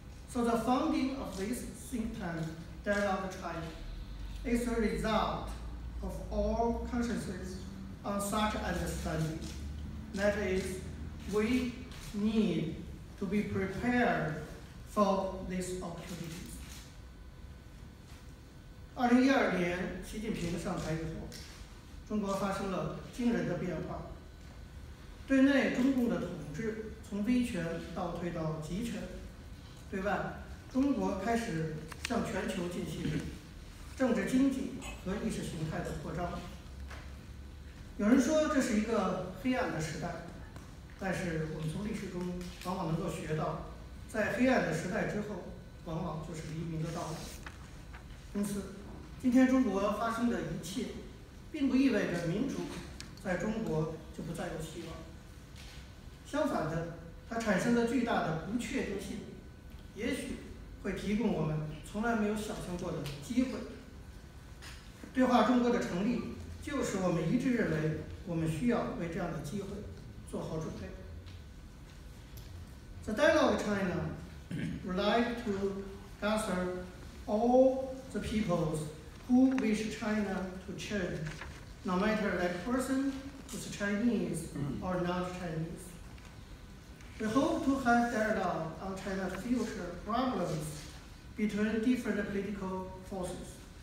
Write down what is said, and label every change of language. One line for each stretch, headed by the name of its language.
English: So the founding of this think tank, Dialogue China, is a result of all consciousness on such understanding. That is, we need to be prepared for these opportunities.
Chinese: 2012年习近平上台以后，中国发生了惊人的变化。对内，中共的统治从威权倒退到集权；对外，中国开始向全球进行政治、经济和意识形态的扩张。有人说这是一个黑暗的时代，但是我们从历史中往往能够学到，在黑暗的时代之后，往往就是黎明的到来。因此，今天中国发生的一切，并不意味着民主在中国就不再有希望。相反的，它产生的巨大的不确定性，也许会提供我们从来没有想象过的机会。对话中国的成立，就是我们一致认为我们需要为这样的机会做好准备。
English: The Dialogue China would like to gather all the peoples who wish China to change, no matter that person is Chinese or not Chinese. We hope to have dialogue on China's future problems between different political forces.